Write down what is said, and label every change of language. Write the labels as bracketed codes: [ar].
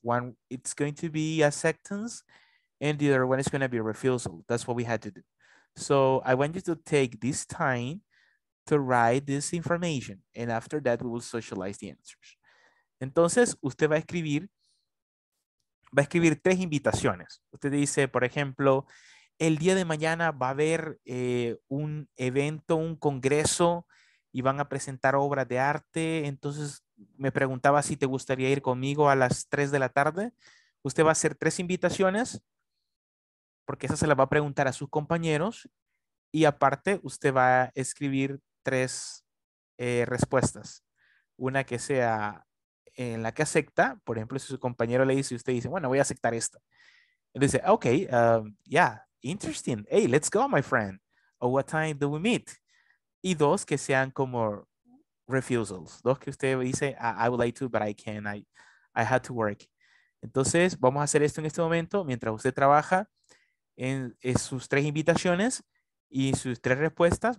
[en] One, it's going to be acceptance, and the other one is going to be a refusal. That's what we had to do. So I want you to take this time to write this information, and after that, we will socialize the answers. [es] Entonces, usted va a escribir tres invitaciones. Usted dice, por ejemplo, el día de mañana va a haber un evento, un congreso, y van a presentar obras de arte. Entonces, me preguntaba si te gustaría ir conmigo a las 3 de la tarde. Usted va a hacer tres invitaciones, porque esa se la va a preguntar a sus compañeros. Y aparte, usted va a escribir tres respuestas. Una que sea en la que acepta. Por ejemplo, si su compañero le dice, usted dice, bueno, voy a aceptar esta. Él dice, [en] ok, interesting. Hey, let's go, my friend. Or what time do we meet? [es] Y dos que sean como [en] refusals. [es] Dos que usted dice, [en] I would like to, but I can't. I had to work. [es] Entonces, vamos a hacer esto en este momento mientras usted trabaja en sus tres invitaciones y sus tres respuestas.